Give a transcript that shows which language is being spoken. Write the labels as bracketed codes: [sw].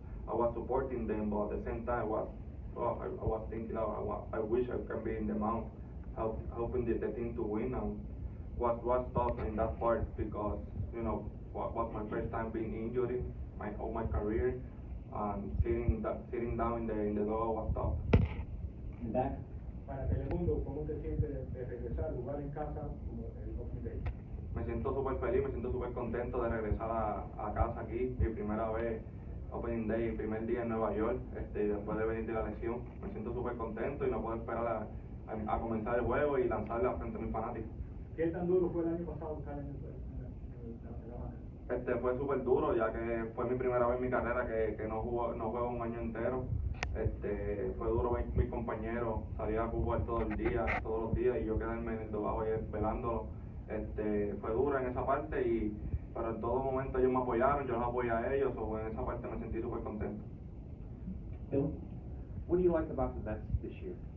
[en] I was supporting them, but at the same time I wish I can be in the mound helping the team to win. And What stopped in that part, because, you know, was my first time being injured my all my career, and sitting down in the door was tough. Back. [es] Para Telemundo, ¿cómo te sientes de regresar a jugar en casa como el 2020? Me siento súper feliz, me siento súper contento de regresar a casa aquí. Mi primera vez [en] opening day, [es] el primer día en Nueva York, después de venir de la lesión. Me siento súper contento y no puedo esperar a comenzar el juego y lanzarla frente a mis fanáticos. ¿Qué tan duro fue el año pasado buscar en el juego? Fue súper duro, ya que fue mi primera vez en mi carrera que no juego un año entero. Fue duro ver mis compañeros salir a jugar todos los días, y yo quedarme en el debajo y esperándolo. Fue duro en esa parte, pero en todo momento ellos me apoyaron, yo los apoyé a ellos, o en esa parte me sentí súper contento. [en] What do you like about the Mets this year?